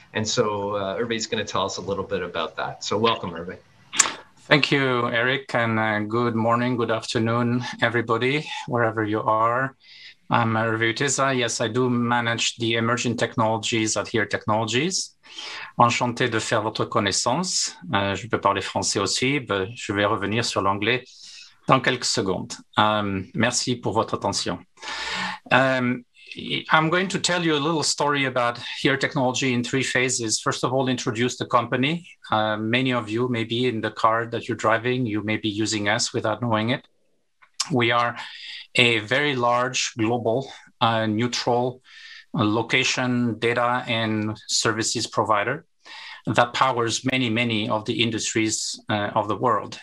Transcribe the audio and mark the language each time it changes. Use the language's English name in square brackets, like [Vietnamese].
[English] And so Hervé's going to tell us a little bit about that. So welcome, Hervé. Thank you, Eric, and good morning, good afternoon, everybody, wherever you are. I'm Hervé Utheza. Yes, I do manage the emerging technologies at Here Technologies. [French] Enchanté de faire votre connaissance. Je peux parler français aussi, mais je vais revenir sur l'anglais dans quelques secondes. Merci pour votre attention. [English] I'm going to tell you a little story about Here Technology in three phases. First of all, introduce the company. Many of you may be in the car that you're driving. You may be using us without knowing it. We are a very large global neutral location data and services provider that powers many, many of the industries of the world.